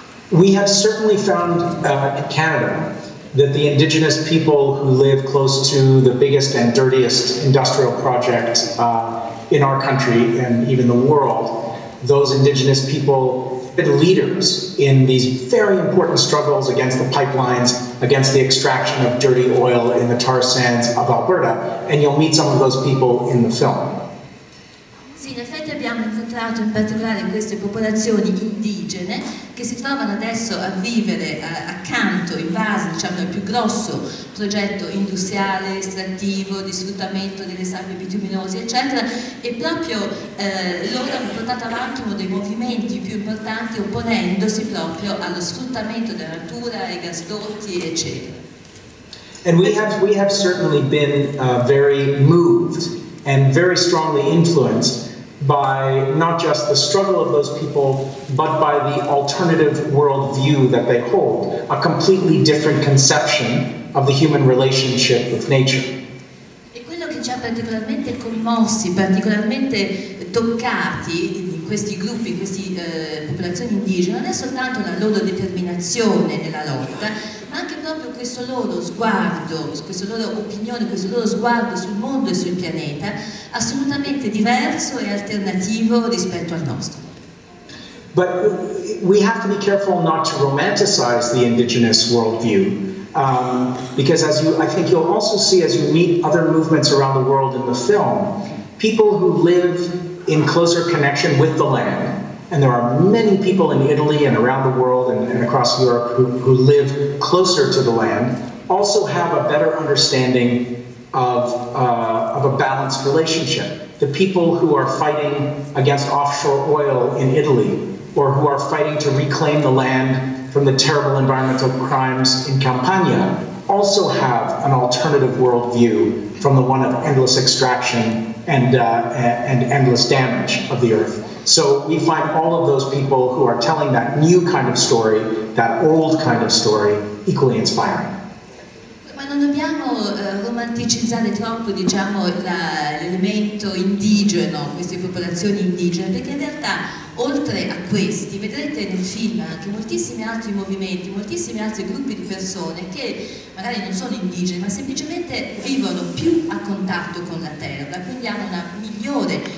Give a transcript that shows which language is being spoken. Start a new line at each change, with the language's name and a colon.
English: We have certainly found in Canada that the indigenous people who live close to the biggest and dirtiest industrial project in our country and even the world, those indigenous people been leaders in these very important struggles against the pipelines, against the extraction of dirty oil in the tar sands of Alberta, and you'll meet some of those people in the film.
Italian: Sì, in effetti abbiamo incontrato in particolare queste popolazioni indigene che si trovano adesso a vivere accanto, in base, diciamo, al più grosso progetto industriale, estrattivo, di sfruttamento delle sabbie bituminose, eccetera, e proprio loro hanno portato avanti uno dei movimenti più importanti opponendosi proprio allo sfruttamento della natura, ai gasdotti, eccetera.
English: And we have certainly been very moved and very strongly influenced by not just the struggle of those people, but by the alternative worldview that they hold, a completely different conception of the human relationship with nature.
Italian: E quello che ci ha particolarmente commossi, particolarmente toccati in questi gruppi, in queste popolazioni indigene, non è soltanto la loro determinazione nella lotta, ma anche proprio questo loro sguardo, questa loro opinione, questo loro sguardo sul mondo e sul pianeta, assolutamente diverso e alternativo rispetto al nostro.
English: But we have to be careful not to romanticize the indigenous worldview, because as you, I think you'll also see as you meet other movements around the world in the film, people who live in closer connection with the land. And there are many people in Italy and around the world and across Europe who live closer to the land, also have a better understanding of a balanced relationship. The people who are fighting against offshore oil in Italy, or who are fighting to reclaim the land from the terrible environmental crimes in Campania, also have an alternative worldview from the one of endless extraction and endless damage of the earth. So we find all of those people who are telling that new kind of story, that old kind of story, equally inspiring.
Italian: Ma non dobbiamo romanticizzare troppo, diciamo, l'elemento indigeno, queste popolazioni indigene, perché in realtà, oltre a questi, vedrete nel film anche moltissimi altri movimenti, moltissimi altri gruppi di persone che magari non sono indigene, ma semplicemente vivono più a contatto con la terra, quindi hanno una migliore